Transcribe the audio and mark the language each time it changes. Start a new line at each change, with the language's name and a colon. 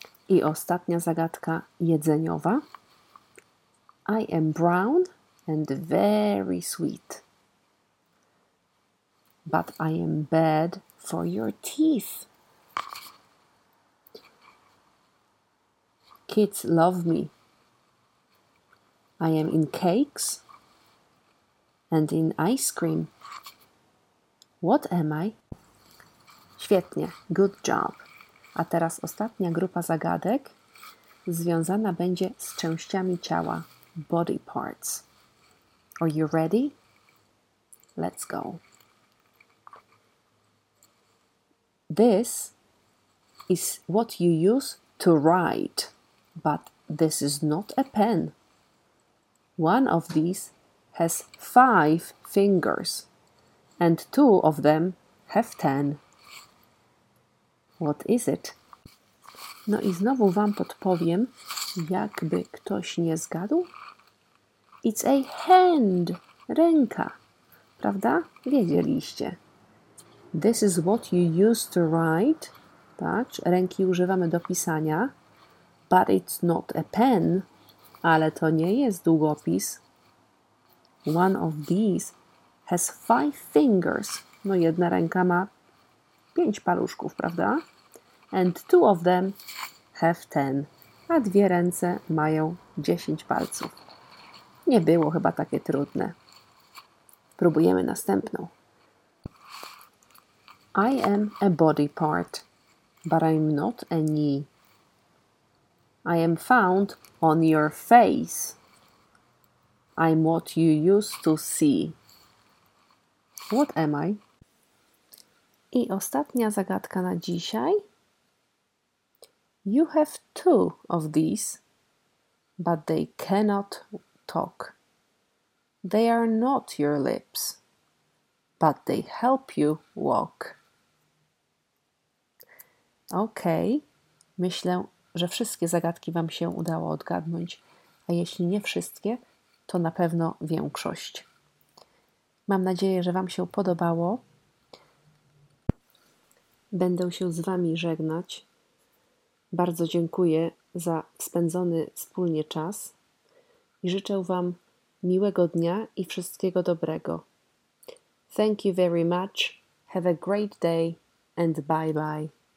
Polish: I ostatnia zagadka jedzeniowa.
English: I am brown and very sweet. But I am bad for your teeth. Kids love me. I am in cakes and in ice cream. What am I?
Polish: Świetnie,
English: good job.
Polish: A teraz ostatnia grupa zagadek związana będzie z częściami ciała,
English: body parts. Are you ready? Let's go. This is what you use to write, but this is not a pen. One of these has 5 fingers, and 2 of them have 10. What is it?
Polish: No i znowu wam podpowiem, jakby ktoś nie zgadł.
English: It's a hand,
Polish: ręka. Prawda? Wiedzieliście.
English: This is what you use to write.
Polish: Patrz, ręki używamy do pisania.
English: But it's not a pen.
Polish: Ale to nie jest długopis.
English: One of these has 5 fingers.
Polish: No jedna ręka ma 5 paluszków, prawda?
English: And 2 of them have 10.
Polish: A dwie ręce mają 10 palców. Nie było chyba takie trudne. Próbujemy następną.
English: I am a body part, but I'm not a knee. I am found on your face. I'm what you used to see. What am I?
Polish: I ostatnia zagadka na dzisiaj.
English: You have 2 of these, but they cannot talk. They are not your lips, but they help you walk.
Polish: Okej, myślę, że wszystkie zagadki Wam się udało odgadnąć, a jeśli nie wszystkie, to na pewno większość. Mam nadzieję, że Wam się podobało. Będę się z Wami żegnać. Bardzo dziękuję za spędzony wspólnie czas i życzę Wam miłego dnia i wszystkiego dobrego.
English: Thank you very much. Have a great day and bye bye.